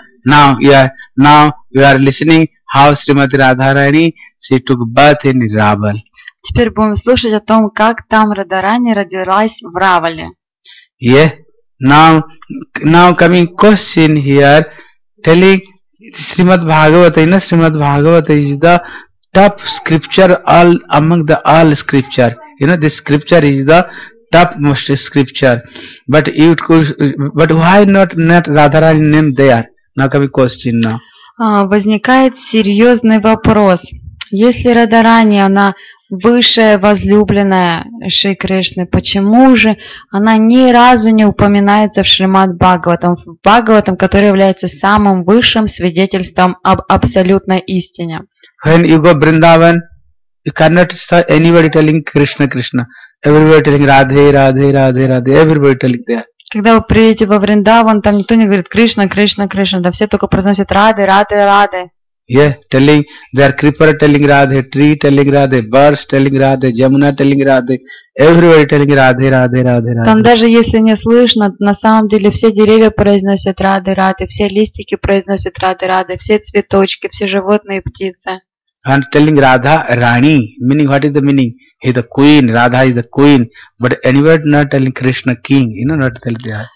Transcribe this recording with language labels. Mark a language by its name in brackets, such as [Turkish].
[English] Now you are listening how Srimati Radha Rani, she took birth in Raval. [Russian] Теперь будем слушать о том, как там Радарани родилась в Равале. [English] Yeah. Now coming question here, telling Srimad Bhagavata, you know, Srimad Bhagavata is the top scripture all among the all scripture. You know, this scripture is the topmost scripture. But why not Radharani name there? Now coming question now. [Russian] Возникает серьезный вопрос. Если Радарани, она высшая возлюбленная Шри Кришны, почему же она ни разу не упоминается в Шримад Бхагаватам, в Бхагаватам, который является самым высшим свидетельством об абсолютной истине? [English] When you go Vrindavan, you cannot see anybody telling Krishna Krishna. Everybody telling Radhe, Radhe, Radhe, Radhe. Everybody telling there. [Russian] Когда вы приедете во Вриндаван, там никто не говорит Кришна, Кришна, Кришна. Да все только произносят Радхе, Радхе, Радхе. [English] Yeah, telling, there are creeper telling Radhe, tree telling Radhe, birds telling Radhe, Jamuna telling Radhe, everybody telling Radhe, Radhe, Radhe, Radhe. [Russian] Там даже если не слышно, на самом деле все деревья произносят Радхе, Радхе, все листики произносят Радхе, Радхе, все цветочки, все животные и птицы. [English] And telling Radha, Rani, meaning what is the meaning? He the queen, Radha is the queen, but anybody not telling Krishna king, you know, not telling that.